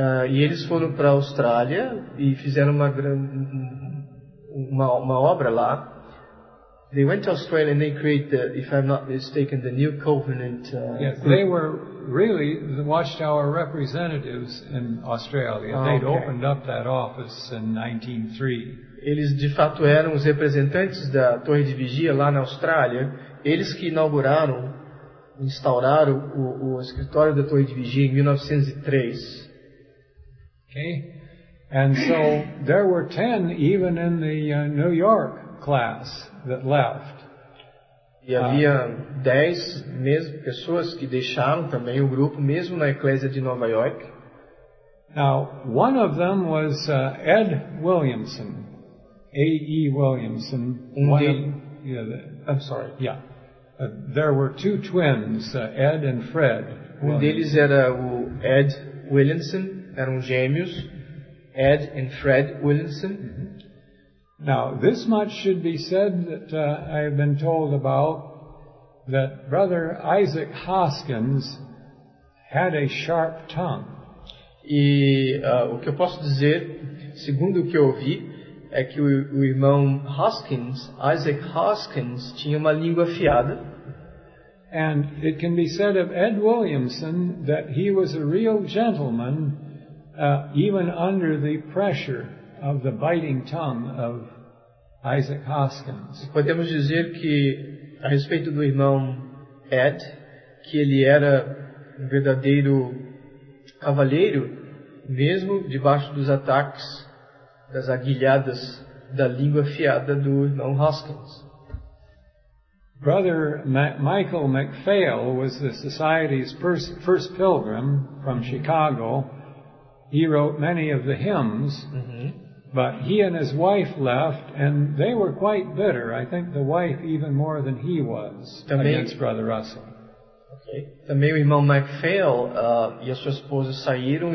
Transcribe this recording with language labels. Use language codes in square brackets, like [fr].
[pt] E eles foram para a Austrália e fizeram uma obra lá. [en] They went to Australia and they created, if I'm not mistaken, the New Covenant. They were really the Watchtower representatives in Australia. They'd opened up that office in 1903. [pt] Eles de fato eram os representantes da Torre de Vigia lá na Austrália. Eles que instauraram o escritório da Torre de Vigia em 1903. [en] Okay. And so there were 10 even in the New York class that left. [pt] E havia 10 mesmo pessoas que deixaram também o grupo mesmo na eclésia de Nova York. [en] Now, one of them was Ed Williamson. A. E. Williamson. There were two twins, Ed and Fred. [pt] Um deles era o Ed Williamson, eram gêmeos, Ed and Fred Williamson. [en] Now, this much should be said that I have been told about, that Brother Isaac Hoskins had a sharp tongue. [pt] E o que eu posso dizer, segundo o que eu ouvi, é que o irmão Hoskins, Isaac Hoskins, tinha uma língua afiada. [en] And it can be said of Ed Williamson that he was a real gentleman, even under the pressure of the biting tongue of Isaac Hoskins. [pt] Podemos dizer que, a respeito do irmão Ed, que ele era um verdadeiro cavaleiro, mesmo debaixo dos ataques, das aguilhadas da língua afiada do irmão Hoskins. [en] Brother Michael MacPhail was the society's first pilgrim from Chicago. He wrote many of the hymns, but he and his wife left, and they were quite bitter. I think the wife even more than he was against Brother Russell. Okay. [pt] Também o irmão MacPhail e a sua esposa saíram.